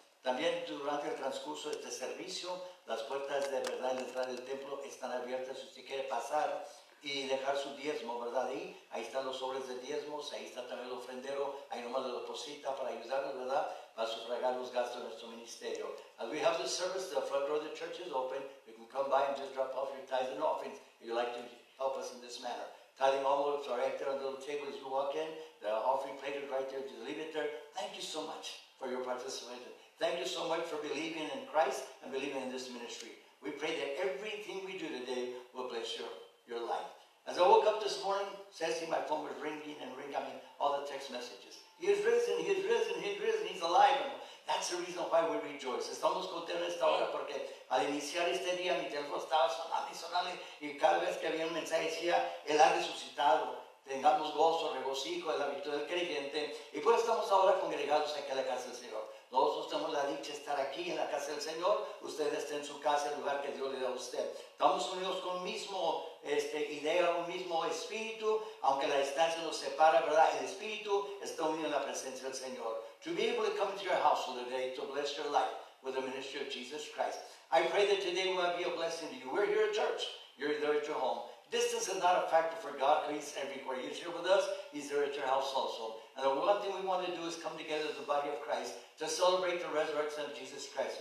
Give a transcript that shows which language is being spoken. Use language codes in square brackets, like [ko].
[es] También durante el transcurso de este servicio, las puertas de verdad y la entrada del templo están abiertas. Si usted quiere pasar y dejar su diezmo, ¿verdad? Ahí, ahí están los sobres de diezmos, ahí está también el ofrendero, ahí nomás le deposita para ayudarnos, ¿verdad? Para sufragar los gastos de nuestro ministerio. [en] As we have this service, the front door of the church is open. You can come by and just drop off your tithes and offerings if you'd like to help us in this manner. Tithing envelopes are right there on the little table as you walk in. The offering plate is right there. Just leave it there. Thank you so much for your participation. Thank you so much for believing in Christ and believing in this ministry. We pray that everything we do today will bless your life. As I woke up this morning, Ceci, my phone was ringing and ringing. I mean, all the text messages. He is risen, he is risen, he is risen, he's alive. And that's the reason why we rejoice. [es] Estamos contentos esta hora porque al iniciar este día, mi teléfono estaba sonando y sonando. Y cada vez que había un mensaje decía, Él ha resucitado. Tengamos gozo, regocijo, el hábito del creyente. Y pues estamos ahora congregados aquí en la casa del Señor. Nosotros tenemos la dicha de estar aquí en la casa del Señor. Usted está en su casa, el lugar que Dios le da a usted. Estamos unidos con un mismo idea, un mismo espíritu, aunque la distancia nos separa, ¿verdad? El espíritu está unido en la presencia del Señor. [en] To be able to come to your household today to bless your life with the ministry of Jesus Christ. I pray that today will be a blessing to you. We're here at church. You're there at your home. Distance is not a factor for God. He's everywhere. He's here with us. He's there at your house also. And the one thing we want to do is come together as the body of Christ to celebrate the resurrection of Jesus Christ.